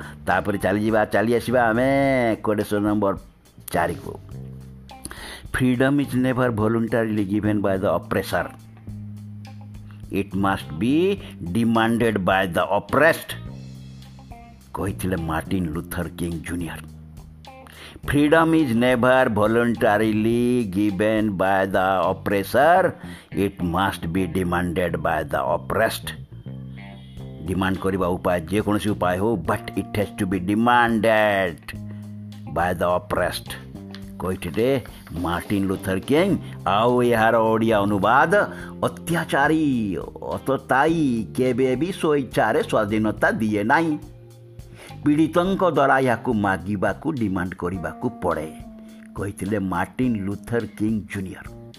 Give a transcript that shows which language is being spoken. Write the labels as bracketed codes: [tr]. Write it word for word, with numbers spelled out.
[or] ତାପରେ ଚାଲିଯିବା, ଚାଲି ଆସିବା ଆମେ କୋଟେସନ୍ ନମ୍ବର ଚାରିକୁ। [en] freedom is never voluntarily given by the oppressor, it must be demanded by the oppressed, [or] କହିଥିଲେ [en] Martin Luther King Junior. Freedom is never voluntarily given by the oppressor. It must be demanded by the oppressed. [or] Demand kariba upay, je konosi upay ho, [en] but it has to be demanded by the oppressed. [or] କହିଥିଲେ Martin Luther king. ଆଉ ଏହାର ଓଡ଼ିଆ ଅନୁବାଦ, ଅତ୍ୟାଚାରୀ ଅତତାୟୀ କେବେ ବି ସ୍ୱଇଚ୍ଛାରେ ସ୍ୱାଧୀନତା ଦିଏ ନାହିଁ। ପୀଡ଼ିତଙ୍କ ଦ୍ୱାରା ଏହାକୁ ମାଗିବାକୁ, ଡିମାଣ୍ଡ କରିବାକୁ ପଡ଼େ, କହିଥିଲେ ମାର୍ଟିନ୍ ଲୁଥର୍ କିଙ୍ଗ୍ ଜୁନିୟର୍।